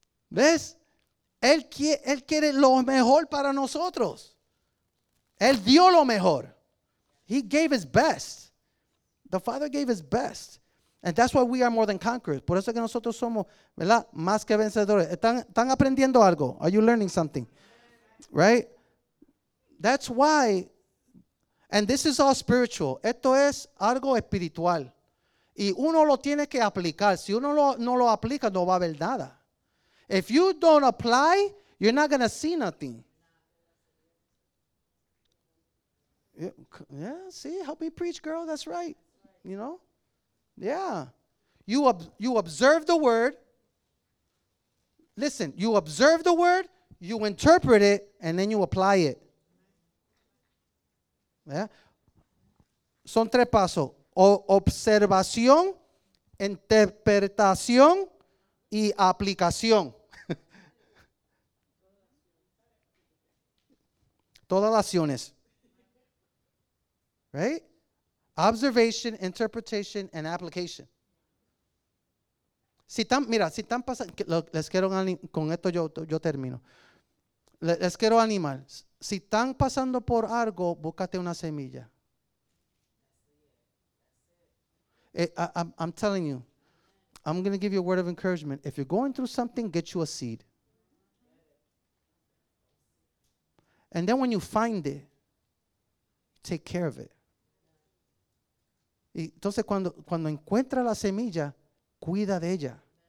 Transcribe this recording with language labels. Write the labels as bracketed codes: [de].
[es] ¿Ves? Él quiere lo mejor para nosotros. Él dio lo mejor. [en] He gave his best. The Father gave his best. And that's why we are more than conquerors. [es] Por eso que nosotros somos, ¿verdad? Más que vencedores. ¿Están aprendiendo algo? [en] Are you learning something? Right? That's why. And this is all spiritual. [es] Esto es algo espiritual. Y uno lo tiene que aplicar. Si uno no lo aplica, no va a haber nada. [en] If you don't apply, you're not going to see nothing. Yeah, see, help me preach, girl. That's right. You know? Yeah. You observe the word. Listen, you observe the word, you interpret it, and then you apply it. [es] Yeah. Son tres pasos. Observación, interpretación, y aplicación. Todas las acciones. Right? [en] Observation, interpretation, and application. [es] Si tan, mira, si están pasando, les quiero animar, con esto yo termino. Les quiero animar. Si están pasando por algo, búscate una semilla. [en] I'm telling you, I'm going to give you a word of encouragement. If you're going through something, get you a seed. And then when you find it, take care of it. [es] Y entonces cuando encuentra la semilla, cuida de ella.